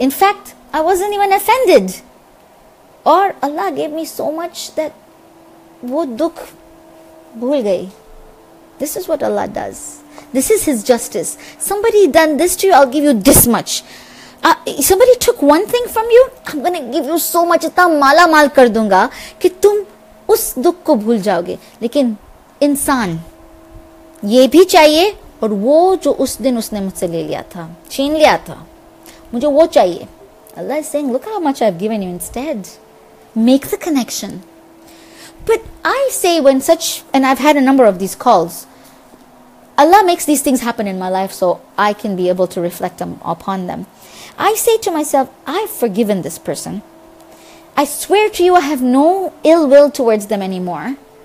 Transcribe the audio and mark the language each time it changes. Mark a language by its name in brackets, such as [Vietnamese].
[English] In fact, I wasn't even offended. Or Allah gave me so much that [Hindi] wo dukh bhul gayi. [English] This is what Allah does. This is His justice. Somebody done this to you, I'll give you this much. Somebody took one thing from you, I'm going to give you so much. [Hindi] Itna mala mal kar dunga ki tum उस दुख को भूल जाओगे, लेकिन इंसान ये भी चाहिए और वो जो उस दिन उसने मुझसे ले लिया था, छीन लिया था, मुझे वो चाहिए. [English] Allah is saying, look how much I've given you instead. Make the connection. But I say when such, and I've had a number of these calls, Allah makes these things happen in my life so I can be able to reflect upon them. I say to myself, I've forgiven this person. I swear to you, I have no ill will towards them anymore.